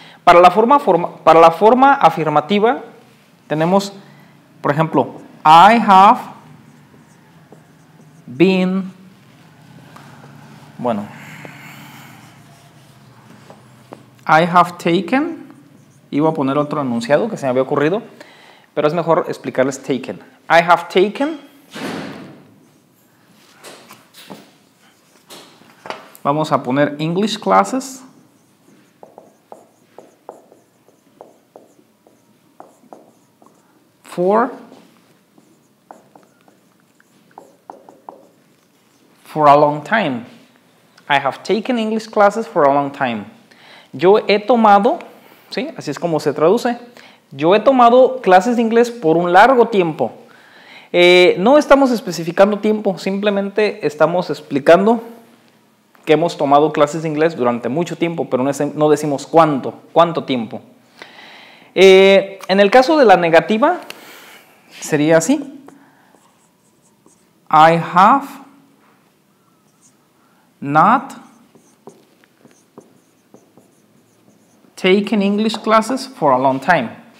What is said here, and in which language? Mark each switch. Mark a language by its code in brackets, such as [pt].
[es] Para la para la forma afirmativa, tenemos, por ejemplo, [en] I have been, [es] bueno, [en] I have taken, [es] iba a poner otro enunciado que se me había ocurrido, pero es mejor explicarles taken. [en] I have taken, [es] vamos a poner [en] English classes, for a long time. I have taken English classes for a long time. [es] Yo he tomado, ¿sí? Así es como se traduce. Yo he tomado clases de inglés por un largo tiempo. No estamos especificando tiempo, simplemente estamos explicando que hemos tomado clases de inglés durante mucho tiempo, pero no decimos cuánto tiempo. En el caso de la negativa, sería así. [en] I have not taken English classes for a long time.